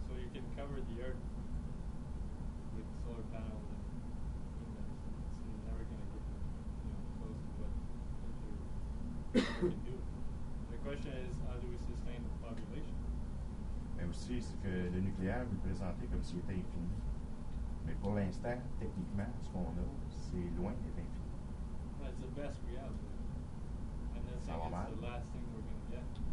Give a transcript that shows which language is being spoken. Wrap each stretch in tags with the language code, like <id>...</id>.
<en>Can cover the earth with solar panels and windmills. It's never going to get close to what nuclear can do. The question is, how do we sustain the population?</en> <fr>Mais aussi, c'est que le nucléaire, vous le présentez comme s'il était infini. Mais pour l'instant, techniquement, ce qu'on a, c'est loin d'être infini.</fr> <en>That's the best we have. And that's the last thing we're going to get.</en>